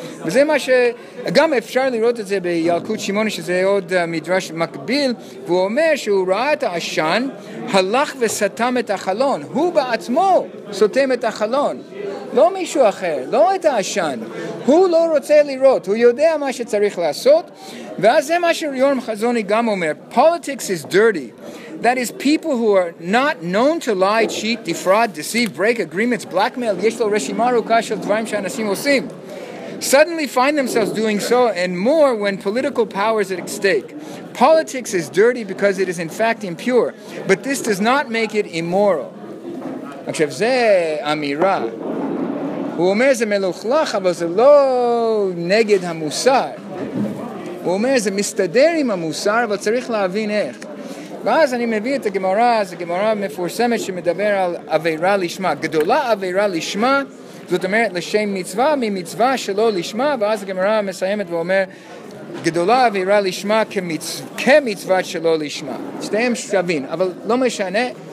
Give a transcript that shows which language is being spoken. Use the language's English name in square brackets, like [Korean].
[Hebrew] וזה מה שגם אפשר לראות את זה בילקוט שמונה, שזה עוד מדרש מקביל, והוא אומר שהוא ראה את האשן, הלך וסתם את החלון. הוא בעצמו סותם את החלון, לא מישהו אחר, לא את האשן. הוא לא רוצה לראות, הוא יודע מה שצריך לעשות, ואז זה מה שיורם חזוני גם אומר, [English] politics is dirty. That is people who are not known to lie, cheat, defraud, deceive, break agreements, blackmail, [Hebrew] יש לו רשימה ארוכה של דברים שאנשים עושים, [English] suddenly find themselves doing so and more when political power is at stake. Politics is dirty because it is in fact impure, but this does not make it immoral. [Hebrew] עכשיו זה אמירה. הוא אומר זה מלוכלך, אבל זה לא נגד המוסר. הוא אומר זה מסתדר עם המוסר, אבל צריך להבין איך. ואז אני מביא את הגמרא, זו גמרא מפורסמת שמדבר על עבירה לשמה. גדולה עבירה לשמה, זאת אומרת לשם מצווה, ממצווה שלא לשמה, ואז הגמרא מסיימת ואומר, גדולה עבירה לשמה כמצווה שלא לשמה. שתיהם שווים, אבל לא משנה.